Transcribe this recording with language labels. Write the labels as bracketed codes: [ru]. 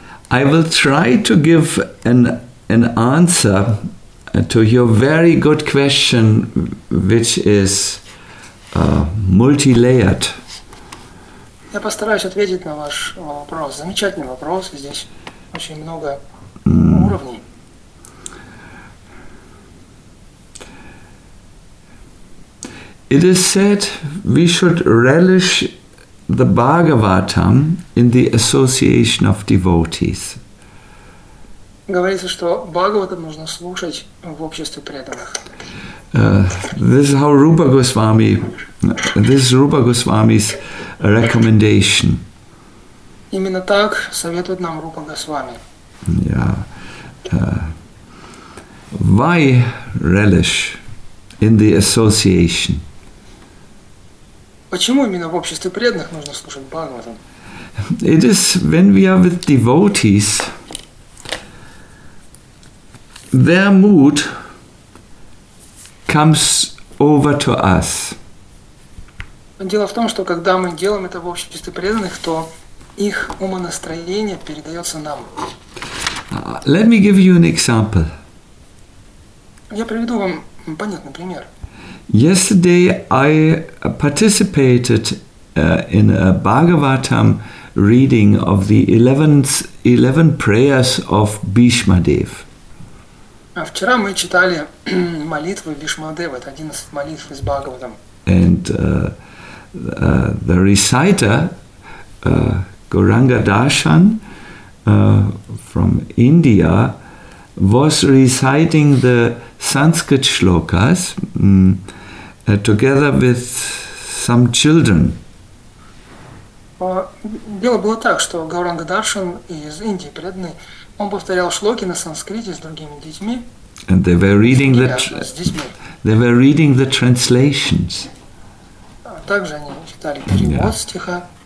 [en] I will try to give an answer to your very good question, which is multi-layered. [ru] Я постараюсь ответить на ваш вопрос. Замечательный вопрос. Здесь очень много уровней. [en] It is said we should relish the Bhagavatam in the association of devotees. [ru] Говорится, что Бхагаватам нужно слушать в обществе преданных. [en] This is how Rupa Goswami, this is Rupa Goswami's recommendation. [ru] Именно так советует нам Рупа Госвами. [en] Yeah. Why relish in the association? [ru] Почему именно в обществе преданных нужно слушать Бхагаватам? [en] It is when we are with devotees, their mood comes over to us. [ru] Дело в том, что когда мы делаем это в обществе преданных, то их умонастроение передается нам. [en] Let me give you an example. [ru] Я приведу вам понятный пример. [en] Yesterday I participated in a Bhagavatam reading of the 11 prayers of Bhishma Dev. [ru] Вчера мы читали молитвы Бхишма Дева, это 11 молитв из Бхагаватам. [en] And the reciter Gauranga Darshan from India was reciting the Sanskrit shlokas together with some children. [ru] Дело было так, что Гауранга Даршан из Индии, преданный, он повторял шлоки на санскрите с другими детьми. [en] And they were reading the translations. [ru] Также они читали перевод стиха.